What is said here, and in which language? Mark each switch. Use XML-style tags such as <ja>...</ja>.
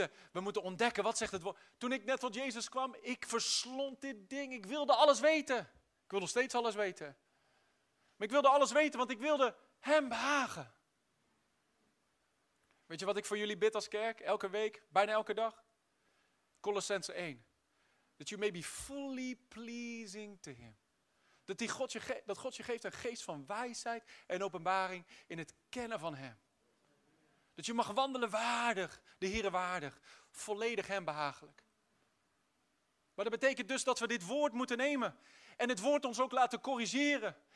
<nl>We moeten ontdekken, wat zegt het woord? Toen ik net tot Jezus kwam, ik verslond dit ding, ik wilde alles weten. Ik wil nog steeds alles weten. Maar ik wilde alles weten, want ik wilde hem behagen. Weet je wat ik voor jullie bid als kerk, elke week, bijna elke dag? Colossense 1.</nl> <en>That you may be fully pleasing to him.</en> <nl>Dat God je geeft een geest van wijsheid en openbaring in het kennen van hem. Dat je mag wandelen waardig, de Heere waardig, volledig hem behagelijk. Maar dat betekent dus dat we dit woord moeten nemen. En het woord ons ook laten corrigeren.</nl>